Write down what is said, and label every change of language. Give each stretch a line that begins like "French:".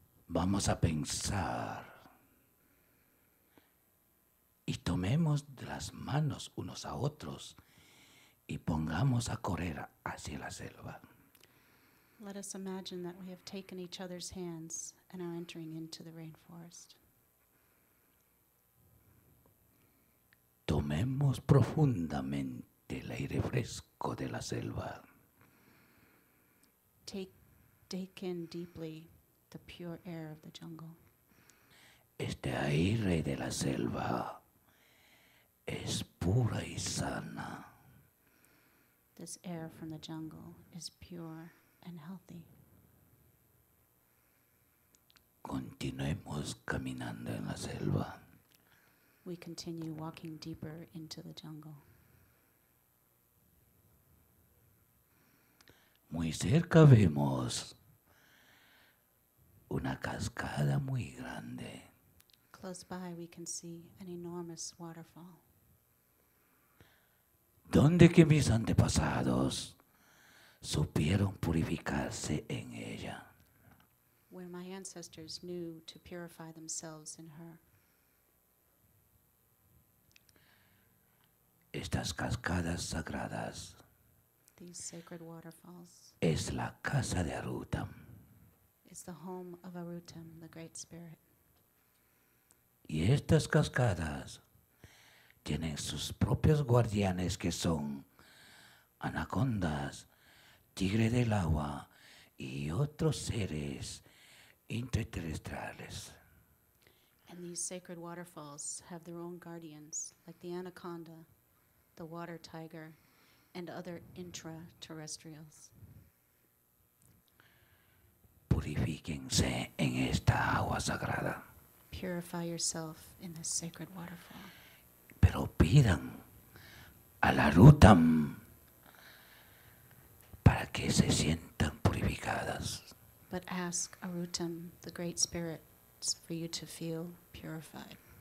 Spanish: Vamos a pensar y tomemos de las manos unos a otros y pongamos a correr hacia la selva.
English: Let us imagine that we have taken each other's hands and are entering into the rainforest.
Spanish: Tomemos profundamente el aire fresco de la selva.
English: Take in deeply the pure air of the jungle.
Spanish: Este aire de la selva es pura y sana.
English: This air from the jungle is pure and healthy.
Spanish: Continuemos caminando en la selva.
English: We continue walking deeper into the jungle.
Spanish: Muy cerca vemos una cascada muy grande.
English: Close by we can see an enormous waterfall.
Spanish: Donde que mis antepasados supieron purificarse en ella.
English: Where my ancestors knew to purify themselves in her.
Spanish: Estas cascadas sagradas.
English: These sacred waterfalls.
Spanish: Es la casa de Arutam.
English: It's the home of Arutam, the Great Spirit.
Spanish: Y estas cascadas tienen sus propios guardianes que son anacondas, tigre del agua y otros seres interterrestres.
English: And these sacred waterfalls have their own guardians, like the anaconda, the water tiger, and other intraterrestrials.
Spanish: Purifíquense en esta agua sagrada.
English: Purify yourself in this sacred waterfall.
Spanish: Pero pidan a la Rutam para que se sientan purificadas.
English: But ask Arutam, the Great Spirit, for you to feel purified.